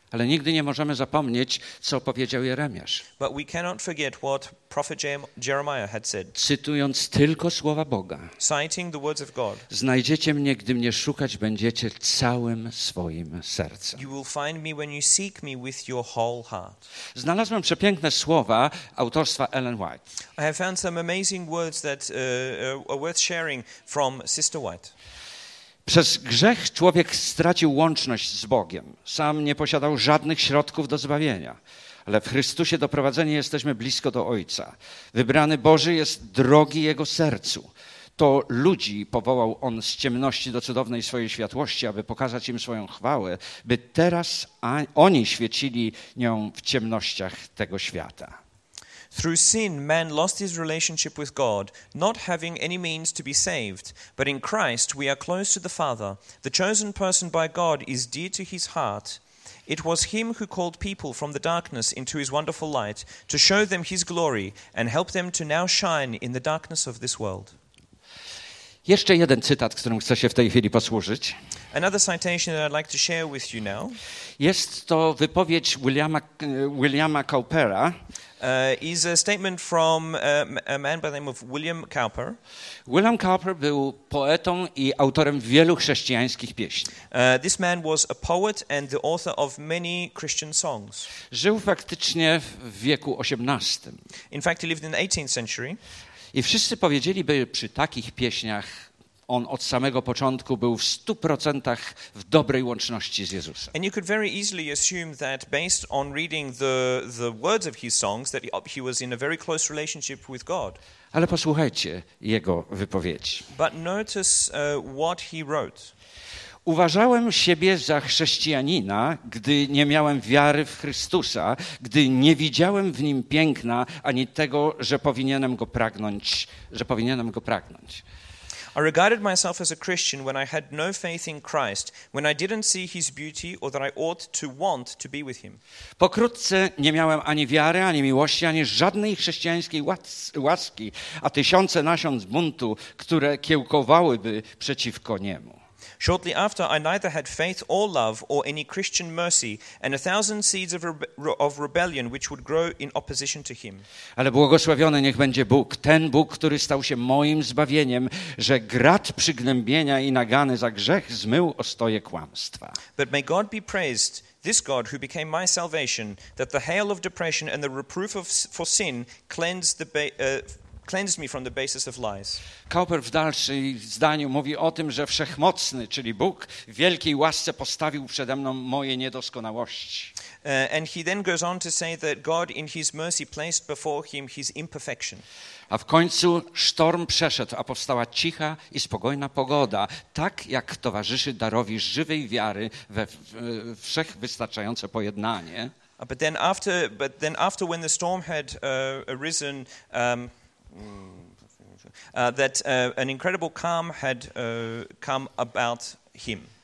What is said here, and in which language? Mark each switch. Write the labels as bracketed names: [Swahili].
[Polish] Ale nigdy nie możemy zapomnieć, co powiedział Jeremiasz. [English] But we cannot forget what prophet Jeremiah had said. [Polish] Cytując tylko słowa Boga. [English] Citing the words of God. [Polish] Znajdziecie mnie, gdy mnie szukać będziecie całym swoim sercem. [English] You will find me when you seek me with your whole heart. [Polish] Znalazłem przepiękne słowa autorstwa Ellen White. [English] I have found some amazing words that are worth sharing from Sister White. [Polish] Przez grzech człowiek stracił łączność z Bogiem. Sam nie posiadał żadnych środków do zbawienia. Ale w Chrystusie doprowadzeni jesteśmy blisko do Ojca. Wybrany Boży jest drogi Jego sercu. To ludzi powołał On z ciemności do cudownej swojej światłości, aby pokazać im swoją chwałę, by teraz oni świecili nią w ciemnościach tego świata. [English] Through sin, man lost his relationship with God, not having any means to be saved. But in Christ, we are close to the Father. The chosen person by God is dear to his heart. It was him who called people from the darkness into his wonderful light to show them his glory and help them to now shine in the darkness of this world. [Polish] Jeszcze jeden cytat, którym chcę się w tej chwili posłużyć. [English] Another citation that I'd like to share with you now. [Polish] Jest to wypowiedź Williama Cowpera. [English] Is a statement from a man by the name of William Cowper. [Polish] William Cowper był poetą i autorem wielu chrześcijańskich pieśni. [English] This man was a poet and the author of many Christian songs. [Polish] Żył faktycznie w wieku XVIII. [English] In fact, he lived in the 18th century. [Polish] I wszyscy powiedzieliby przy takich pieśniach, on od samego początku był w 100% w dobrej łączności z Jezusem. [English] And you could very easily assume that based on reading the words of his songs that he was in a very close relationship with God. [Polish] Ale posłuchajcie jego wypowiedzi. [English] But notice what he wrote. [Polish] Uważałem siebie za chrześcijanina, gdy nie miałem wiary w Chrystusa, gdy nie widziałem w nim piękna, ani tego, że powinienem go pragnąć, że powinienem go pragnąć. [English] I regarded myself as a Christian when I had no faith in Christ, when I didn't see his beauty or that I ought to want to be with him. [Polish] Pokrótce nie miałem ani wiary, ani miłości, ani żadnej chrześcijańskiej łaski, a tysiące nasion buntu, które kiełkowałyby przeciwko niemu. [English] Shortly after, I neither had faith or love or any Christian mercy and a thousand seeds of rebellion which would grow in opposition to him. [Polish] Ale błogosławiony niech będzie Bóg, ten Bóg, który stał się moim zbawieniem, że grat przygnębienia i nagany za grzech zmył ostoje kłamstwa. [English] But may God be praised, this God who became my salvation, that the hail of depression and the reproof for sin cleansed me from the basis of lies. [Polish] Cowper w dalszym zdaniu mówi o tym, że wszechmocny, czyli Bóg, w wielkiej łasce postawił przede mną moje niedoskonałości. [English] And he then goes on to say that God in his mercy placed before him his imperfection. [Polish] A w końcu sztorm przeszedł, a powstała cicha i spokojna pogoda, tak jak towarzyszy darowi żywej wiary we wszechwystarczające pojednanie. [English] But then after when the storm had arisen, that an incredible calm had come about him.